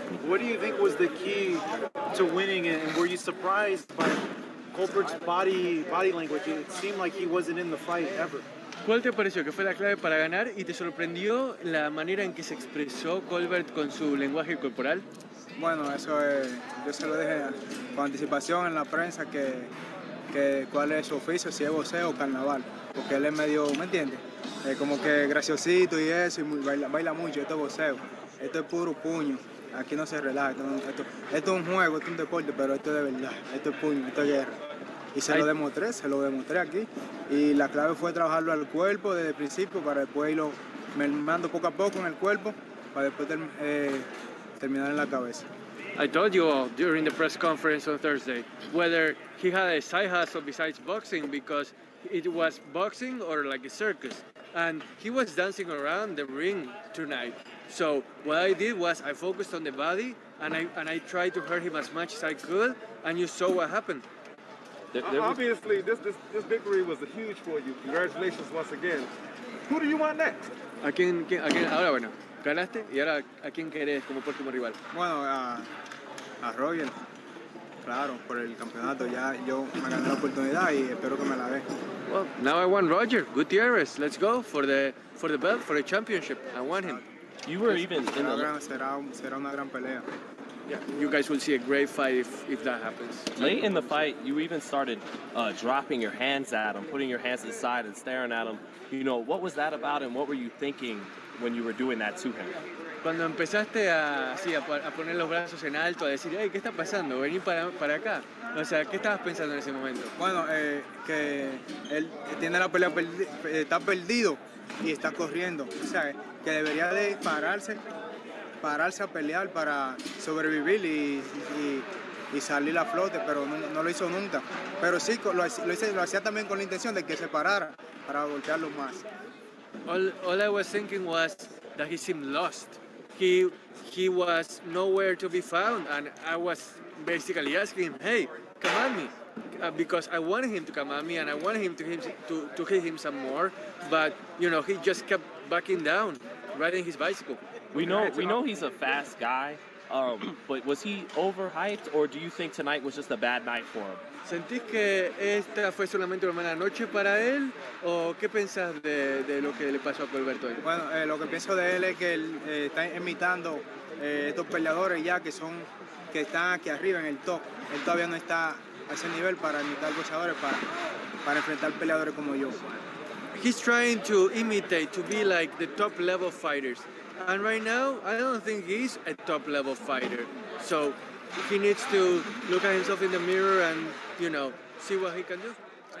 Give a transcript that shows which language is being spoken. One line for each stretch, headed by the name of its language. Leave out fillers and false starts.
English: What do you think was the key to winning, and were you surprised by Colbert's body language? It seemed like he wasn't in the fight ever.
Spanish: ¿Cuál te pareció que fue la clave para ganar y te sorprendió la manera en que se expresó Colbert con su lenguaje corporal? Bueno, eso yo se lo dije con anticipación en la prensa que cuál es su oficio, si es boxeo o carnaval, porque él es medio, ¿me entiendes? Como que graciosito y eso, y baila mucho, esto es boxeo, esto es puro puño, aquí no se relaja, esto es un juego, esto es un deporte, pero esto es de verdad, esto es puño, esto es guerra. Y se lo demostré aquí. Y la clave fue trabajarlo al cuerpo desde el principio para después irlo mermando poco a poco en el cuerpo para después terminar en la cabeza.
English: I told you all during the press conference on Thursday whether he had a side hustle besides boxing, because it was boxing or like a circus. And he was dancing around the ring tonight. So what I did was I focused on the body and I tried to hurt him as much as I could, and you saw what happened. Obviously, this victory was huge for you. Congratulations once again. Who do you want next?
Spanish: ¿A quién? Ahora, bueno, ganaste, y ahora, ¿a quién querés como próximo rival? Bueno, a Roger, claro, por el campeonato. Ya yo me gané la oportunidad y espero que me la dé.
English: Well, now I want Roger, Gutierrez. Let's go for the belt, for the championship. I want him. You were even in the...
Spanish: Será una gran pelea.
English: Yeah. You guys will see a great fight if that happens. Late in the fight, you even started dropping your hands at him, putting your hands aside and staring at him. You know, what was that about, and what were you thinking when you were doing that to him?
Spanish: Cuando empezaste a poner los brazos en alto, a decir, hey, ¿qué está pasando? Vení para acá. O sea, ¿qué estabas pensando en ese momento? Bueno, que él tiene la pelea está perdido y está corriendo. O sea, que debería de pararse a pelear para sobrevivir y salir a flote, pero no lo hizo nunca. Pero sí, lo hacía también con la intención de que se parara para golpearlo más.
English: All I was thinking was that he seemed lost. He was nowhere to be found, and I was basically asking him, hey, come at me. Because I wanted him to come at me, and I wanted him to hit him some more, but, you know, he just kept backing down, riding his bicycle. We know he's a fast guy, but was he overhyped, or do you think tonight was just a bad night for him?
Spanish: ¿Sentís que esta fue solamente una mala noche para él, o qué pensás de lo que le pasó a Colbert hoy? Bueno, lo que pienso de él es que él está imitando estos peleadores ya que están aquí arriba en el top. Él todavía no está a ese nivel para imitar boxeadores, para enfrentar peleadores como yo.
English: He's trying to imitate, to be like the top level fighters. And right now, I don't think he's a top-level fighter. So he needs to look at himself in the mirror and, you know, see what he can do.